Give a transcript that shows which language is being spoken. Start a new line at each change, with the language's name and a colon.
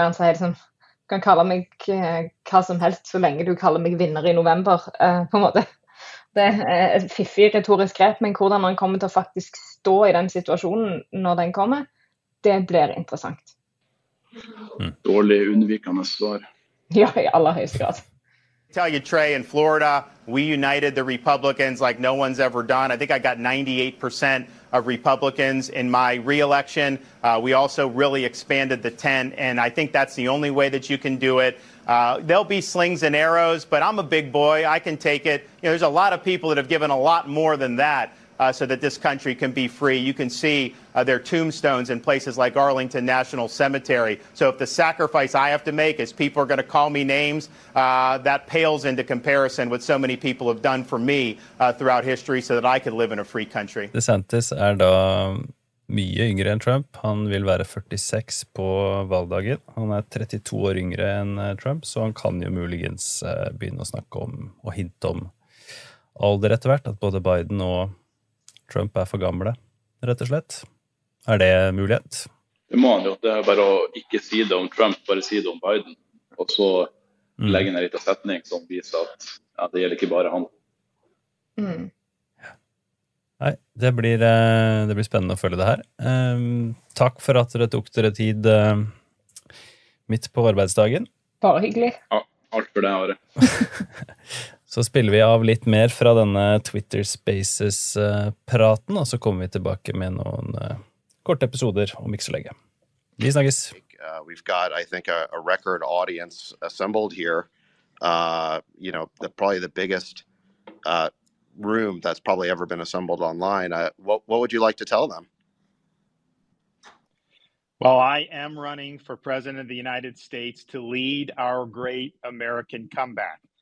Norwegian: Han sier liksom, du kan kalle meg hva som helst så lenge du kaller meg vinner i november, på en måte. Det er et fiffig retorisk grep, men hvordan han kommer til å faktisk stå i den situasjonen når den kommer, det blir interessant. Dårlig unnvikende svar. Ja, i aller høyeste grad.
English: Tell you, Trey, in Florida, we united the Republicans like no one's ever done. I think I got 98% of Republicans in my re-election. We also really expanded the tent, and I think that's the only way that you can do it. There'll be slings and arrows, but I'm a big boy. I can take it. You know, there's a lot of people that have given a lot more than that so that this country can be free. You can see their tombstones in places like Arlington National Cemetery. So if the sacrifice I have to make is people are going to call me names, that pales into comparison with so many people have done for me throughout history so that I could live in a free country.
Norwegian: DeSantis er da mye yngre enn Trump. Han vil være 46 på valgdagen. Han er 32 år yngre enn Trump, så han kan jo muligens begynne å snakke om og hinte om alder etter hvert, at både Biden og Trump er for gamle, rett og slett. Er det mulighet? Det må han jo. Det bare å ikke si det om Trump, bare si det om Biden. Og så legge ned litt av setning som viser at ja, det gjelder ikke bare han. Nei, det blir spennende å følge det her. Takk for at dere tok dere tid midt på arbeidsdagen. Bare hyggelig. Ja, alt for det jeg har. Så spiller vi av litt mer fra denne Twitter Spaces-praten, og så kommer vi tilbake med noen korte episoder om ikke så lenge. Vi snakkes.
English: We've got, I think, a record audience assembled here. You know, the, probably the biggest room that's probably ever been assembled online. What would you like to tell them? Well, I am running for president of the United States to lead our great American comeback.